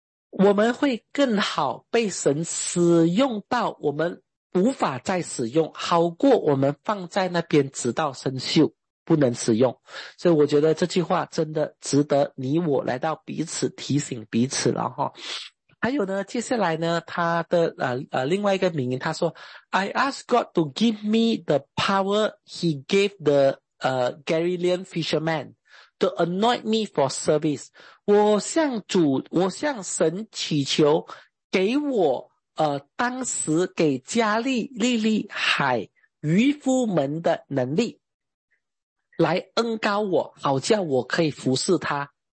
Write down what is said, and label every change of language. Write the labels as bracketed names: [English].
[Chinese] 我们会更好被神使用到我们无法再使用，好过我们放在那边直到生锈不能使用。所以我觉得这句话真的值得你我来到彼此提醒彼此了哈。还有呢，接下来呢，他的另外一个名言，他说 [English] I ask God to give me the power he gave the Galilean fisherman to anoint me for service。 [Chinese] 我向神祈求给我当时给加利利利海渔夫们的能力来恩高我，好叫我可以服侍他。